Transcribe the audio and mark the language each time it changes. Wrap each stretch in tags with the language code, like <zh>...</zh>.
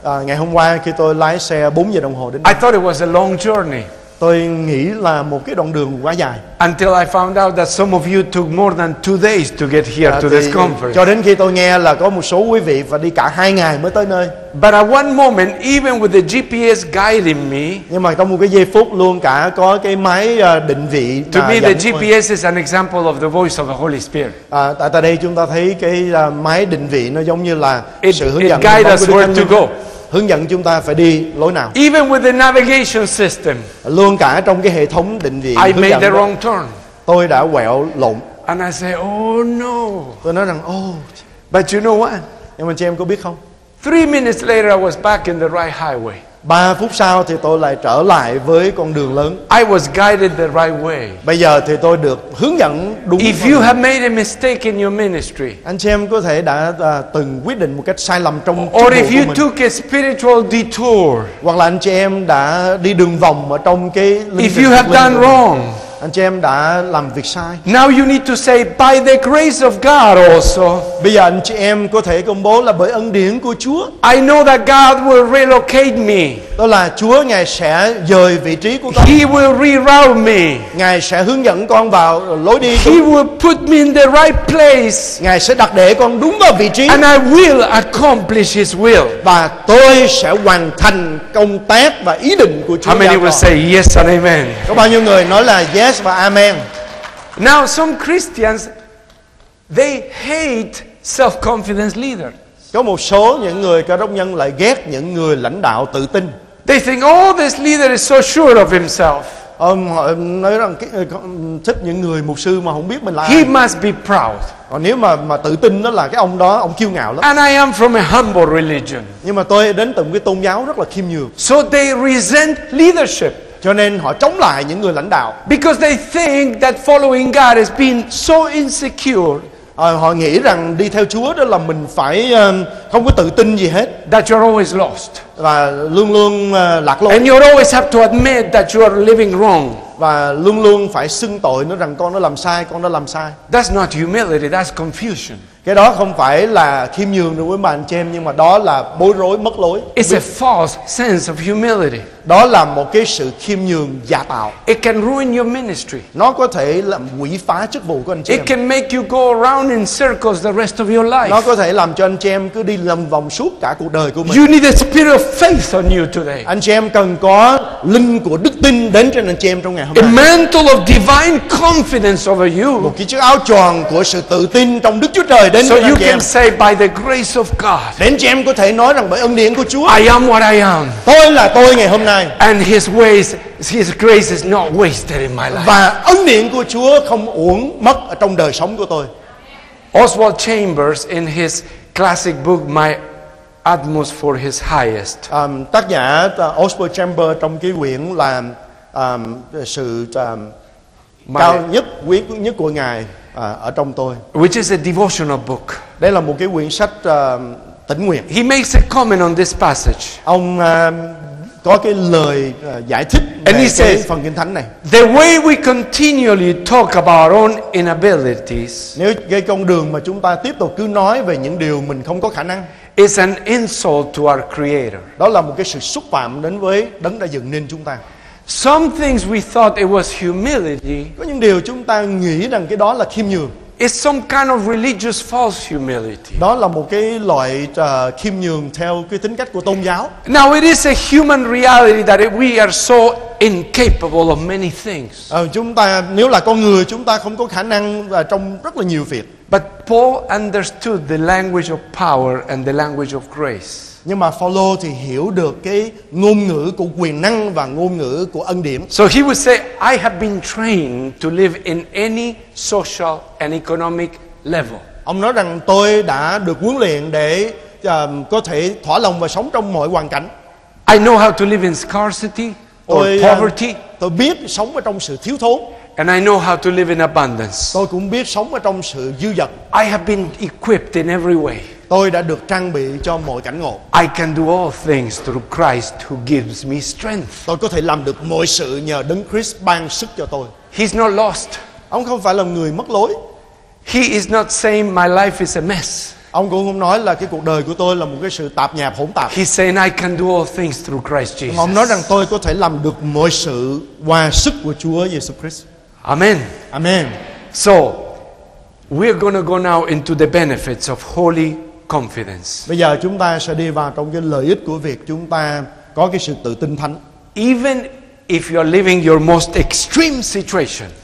<vi>Ngày hôm qua khi tôi lái xe 4 giờ đồng hồ đến đây,</vi> <en>I thought it was a long journey.</en> <vi>Tôi nghĩ là một cái đoạn đường quá dài.</vi> <en>Until I found out that some of you took more than 2 days to get here to this conference.</en> <vi>Cho đến khi tôi nghe là có một số quý vị phải đi cả 2 ngày mới tới nơi.</vi> <en>But at one moment, even with the GPS guiding me,</en> <vi>nhưng mà trong một cái giây phút luôn cả có cái máy định vị.</vi> <en>To me, the GPS is an example of the voice of the Holy Spirit.</en> <vi>Tại tại đây chúng ta thấy cái máy định vị nó giống như là sự hướng dẫn.</vi> <en>It guides us where to go.</en> <vi>Hướng dẫn chúng ta phải đi lối nào.</vi> <en>Even with the navigation system,</en> <vi>luôn cả trong cái hệ thống định vị,</vi> <en>I made the wrong turn.</en> <vi>Tôi đã quẹo lộn.</vi> <en>And I say, oh no.</en> <vi>Tôi nói rằng, oh.</vi> <en>But you know what?</en> <vi>Nhưng mà chị em có biết không?</vi> <en>3 minutes later, I was back in the right highway.</en> <vi>3 phút sau thì tôi lại trở lại với con đường lớn.</vi> <en>I was guided the right way.</en> <vi>Bây giờ thì tôi được hướng dẫn đúng.</vi> <en>If you have made a mistake in your ministry,</en> <vi>anh chị em có thể đã từng quyết định một cách sai lầm trong chức vụ của mình.</vi> <en>Or if you took a spiritual detour,</en> <vi>hoặc là anh chị em đã đi đường vòng ở trong cái linh đường.</vi> <en>If you have done wrong,</en> <vi>anh chị em đã làm việc sai.</vi> <en>Now you need to say by the grace of God also.</en> <vi>Bây giờ anh chị em có thể công bố là bởi ân điển của Chúa.</vi> <en>I know that God will relocate me.</en> <vi>Đó là Chúa ngài sẽ dời vị trí của con.</vi> <en>He will reroute me.</en> <vi>Ngài sẽ hướng dẫn con vào lối đi.</vi> <en>He will put me in the right place.</en> <vi>Ngài sẽ đặt để con đúng vào vị trí.</vi> <en>And I will accomplish His will.</en> <vi>Và tôi sẽ hoàn thành công tác và ý định của Chúa.</vi> <en>How many will say yes and amen?</en> <vi>Có bao nhiêu người nói là yes và amen?</vi> <en>Now some Christians, they hate self-confidence leaders.</en> <vi>Có một số những người Cơ Đốc nhân lại ghét những người lãnh đạo tự tin.</vi> <en>They think, oh, this leader is so sure of himself.</en> <vi>Họ nói rằng thích những người mục sư mà không biết mình là.</vi> <en>He must be proud.</en> <vi>Còn nếu mà tự tin đó là cái ông đó ông kiêu ngạo lắm.</vi> <en>And I am from a humble religion.</en> <vi>Nhưng mà tôi đến từ một cái tôn giáo rất là khiêm nhường.</vi> <en>So they resent leadership.</en> <vi>Cho nên họ chống lại những người lãnh đạo.</vi> <en>Because they think that following God has been so insecure.</en> <vi>Họ nghĩ rằng đi theo Chúa đó là mình phải không có tự tin gì hết.</vi> <en>That you're always lost.</en> <vi>Và luôn luôn lạc lối.</vi> <en>And you always have to admit that you are living wrong.</en> <vi>Và luôn luôn phải xưng tội nó rằng con đã làm sai, con đã làm sai.</vi> <en>That's not humility, that's confusion.</en> <vi>Cái đó không phải là khiêm nhường đối với anh chị em, nhưng mà đó là bối rối, mất lối.</vi> <en>It's a false sense of humility.</en> <vi>Đó là một cái sự khiêm nhường giả tạo.</vi> <en>It can ruin your ministry.</en> <vi>Nó có thể làm hủy phá chức vụ của anh chị em.</vi> <en>It can make you go around in circles the rest of your life.</en> <vi>Nó có thể làm cho anh chị em cứ đi lầm vòng suốt cả cuộc đời của mình.</vi> <en>You need a spirit of faith on you today.</en> <vi>Anh chị em cần có linh của đức tin đến trên anh chị em trong ngày hôm nay.</vi> <en>A mantle of divine confidence over you.</en> <vi>Một cái chiếc áo tròn của sự tự tin trong Đức Chúa Trời đến</vi> <en>so</en> <vi>trên</vi> <en>you</en> <vi>anh chị</vi> <en>can</en> <vi>em.</vi> <en>Say by the grace of God.</en> <vi>Đến chị em có thể nói rằng bởi ân điển của Chúa.</vi> <en>I am what I am.</en> <vi>Tôi là tôi ngày hôm nay.</vi> <en>And His ways, His grace is not wasted in my life.</en> <vi>Và ân điển của Chúa không uổng mất ở trong đời sống của tôi.</vi> <en>Oswald Chambers in his classic book My Utmost for His Highest.</en> <vi>Tác giả Oswald Chambers trong cái quyển là sự cao nhất quý nhất của ngài ở trong tôi.</vi> <en>Which is a devotional book.</en> <vi>Đây là một cái quyển sách tĩnh nguyện.</vi> <en>He makes a comment on this passage.</en> <vi>Ông có cái lời giải thích về</vi> <en>and he</en> <vi>cái</vi> <en>says,</en> <vi>phần kinh thánh này.</vi> <en>The way we continually talk about our own inabilities.</en> <vi>Nếu cái con đường mà chúng ta tiếp tục cứ nói về những điều mình không có khả năng.</vi> <en>Is an insult to our Creator.</en> <vi>Đó là một cái sự xúc phạm đến với đấng đã dựng nên chúng ta.</vi> <en>Some things we thought it was humility.</en> <vi>Có những điều chúng ta nghĩ rằng cái đó là khiêm nhường.</vi> <en>It's some kind of religious false humility.</en> <vi>Đó là một cái loại khiêm nhường theo cái tính cách của tôn giáo.</vi> <en>Now it is a human reality that we are so incapable of many things.</en> <vi>Chúng ta nếu là con người chúng ta không có khả năng trong rất là nhiều việc.</vi> <en>But Paul understood the language of power and the language of grace.</en> <vi>Nhưng mà Phaolô thì hiểu được cái ngôn ngữ của quyền năng và ngôn ngữ của ân điển.</vi> <en>So he would say, I have been trained to live in any social and economic level.</en> <vi>Ông nói rằng tôi đã được huấn luyện để có thể thỏa lòng và sống trong mọi hoàn cảnh.</vi> <en>I know how to live in scarcity or poverty.</en> <vi>Tôi biết sống ở trong sự thiếu thốn.</vi> <en>And I know how to live in abundance.</en> <vi>Tôi cũng biết sống ở trong sự dư dật.</vi> <en>I have been equipped in every way.</en> <vi>Tôi đã được trang bị cho mọi cảnh ngộ.</vi> <en>I can do all things through Christ who gives me strength.</en> <vi>Tôi có thể làm được mọi sự nhờ Đấng Christ ban sức cho tôi.</vi> <en>He's not lost.</en> <vi>Ông không phải là người mất lối.</vi> <en>He is not saying my life is a mess.</en> <vi>Ông cũng không nói là cái cuộc đời của tôi là một cái sự tạp nhạp hỗn tạp.</vi> <en>He said I can do all things through Christ Jesus.</en> <vi>Ông nói rằng tôi có thể làm được mọi sự qua sức của Chúa Jesus Christ.</vi> <en>Amen.</en> <vi>Amen.</vi> <en>So, we're going to go now into the benefits of holy confidence.</en> <vi>Bây giờ chúng ta sẽ đi vào trong cái lợi ích của việc chúng ta có cái sự tự tin thánh.</vi> <en>Even if you're living your most extreme situation.</en>